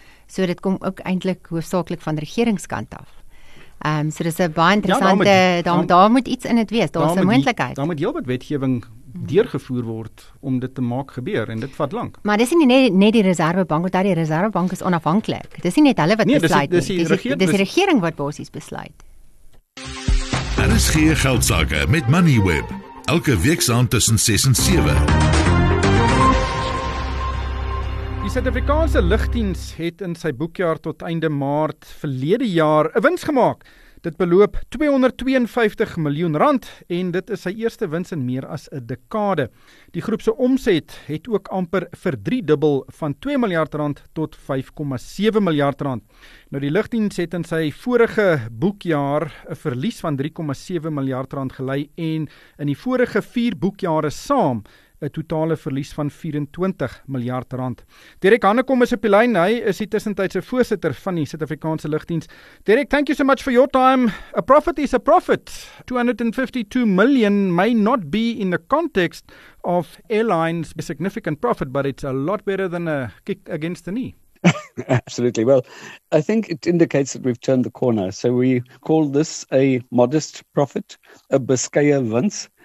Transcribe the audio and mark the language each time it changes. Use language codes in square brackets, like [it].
[af] So dit kom ook eintlik hoofsaaklik van regeringskant af. So dis 'n baie interessante, ja, daar moet iets in dit wees, daar's 'n moontlikheid. Daar moet heelwat wetgewing deurgevoer word om dit te maak gebeur en dit vat lank. Maar dis nie net die Reservebank, want die Reservebank is onafhanklik. Dis nie net hulle wat besluit nie. Dis die regering wat basies besluit. Daar is geen geldsaake met Moneyweb. Elke week saam tussen 6 en 7. Die Suid-Afrikaanse Lugdiens het in sy boekjaar tot einde Maart verlede jaar 'n wins gemaak. Dit beloop 252 miljoen rand en dit is sy eerste wins in meer as 'n dekade. Die groep se omset het ook amper verdriedubbel van 2 miljard rand tot 5,7 miljard rand. Nou die Lugdiens het in sy vorige boekjaar 'n verlies van 3,7 miljard rand gelei en in die vorige 4 boekjare saam 'n totale verlies van 24 miljard rand. Derek Hannekom is op die lyn. Hy is die tussentydse voorsitter van die Suid-Afrikaanse Lugdiens. [en] Derek, thank you so much for your time. A profit is a profit. 252 million may not be in the context of airlines a significant profit, but it's a lot better than a kick against the knee. Absolutely. Well, I think it indicates that we've turned the corner. So we call this a modest profit, a [af] Biscayer wins.